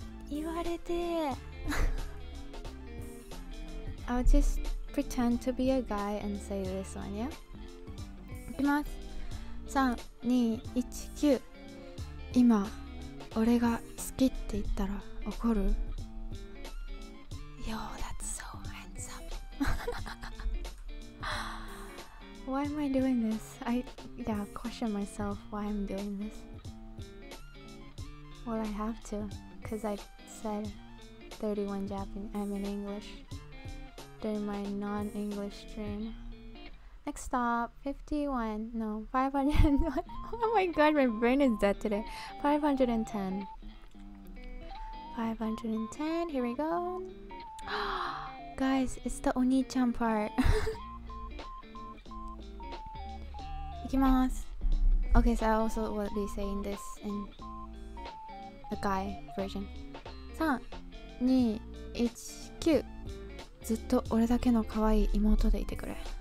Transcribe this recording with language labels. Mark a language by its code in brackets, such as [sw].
[en] 言われて I'll just pretend to be a guy and say this one, yeah? [ja] いきます 3、2、1、9 今、俺が好きって言ったら怒る? [en] Yo, that's so handsome. Why am I doing this? I question myself why I'm doing this. Well, I have to, because I said 31 Japanese, I'm in English during my non-English stream. Next stop, 51, no, 500. Oh my god, my brain is dead today. 510. 510, here we go. Guys, it's the oni-chan part. [ja] Ikimasu. [en] Okay, so I also will be saying this in the guy version. [ja] 3、2、1、9 ずっと俺だけの可愛い妹でいてくれ。